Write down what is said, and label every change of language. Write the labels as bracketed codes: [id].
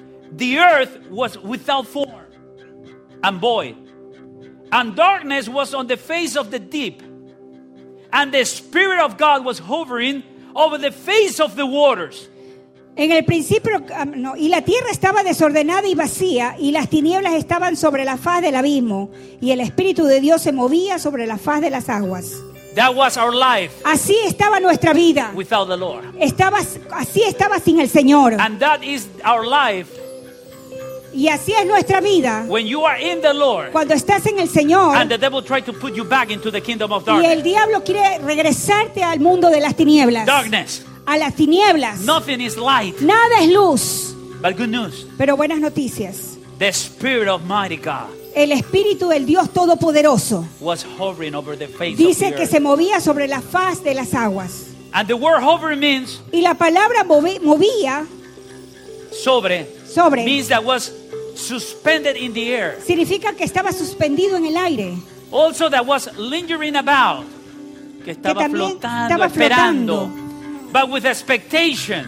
[en] The earth was without form and void, and darkness was on the face of the deep, and the Spirit of God was hovering over the face of the waters. [es] En el principio, no, y la tierra estaba desordenada y vacía, y las tinieblas estaban sobre la faz del abismo, y el Espíritu de Dios se movía sobre la faz de las aguas. [en] That was our life. [es] Así estaba nuestra vida. [en] Without the Lord. [es] Así estaba sin el Señor. [en] And that is our life. [es] Y así es nuestra vida. [en] When you are in the Lord, [es] cuando estás en el Señor, [en] and the devil tried to put you back into the kingdom of darkness, [es] y el diablo quiere regresarte al mundo de las tinieblas, [en] darkness, [es] a las tinieblas. [en] Nothing is light, [es] nada es luz. [en] But good news, [es] pero buenas noticias. [en] The Spirit of mighty God, [es] el Espíritu del Dios Todopoderoso, [en] was hovering over the face, [es] dice [en] of the [es] que [en] earth, [es] se movía sobre la faz de las aguas. [en] And the word hovering means, [es] y la palabra movía [en] sobre means that was suspended in the air. [es] Significa que estaba suspendido en el aire. [en] Also that was lingering about. [es] Que estaba, que también flotando, estaba esperando, flotando. [en] But with expectation.